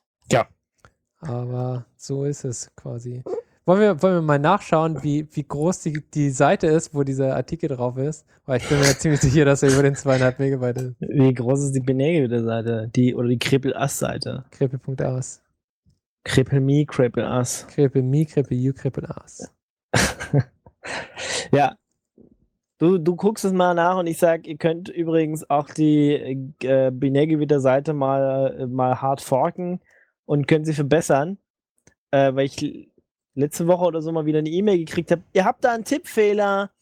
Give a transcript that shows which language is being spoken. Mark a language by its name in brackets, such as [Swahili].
[German] Ja. Aber so ist es quasi. Wollen wir mal nachschauen, wie groß die Seite ist, wo dieser Artikel drauf ist? Weil ich bin mir ziemlich sicher, dass er über den 2,5 Megabyte ist. Wie groß ist die benägelte Seite? Die Krippel-Ass-Seite? Krippel.ass. [English] Cripple me, cripple us. Cripple me, cripple you, cripple us. [German] Ja. Du guckst es mal nach und ich sag, ihr könnt übrigens auch die Binärgebieter-Seite mal hart forken und könnt sie verbessern. Weil ich letzte Woche oder so mal wieder eine E-Mail gekriegt habe, ihr habt da einen Tippfehler.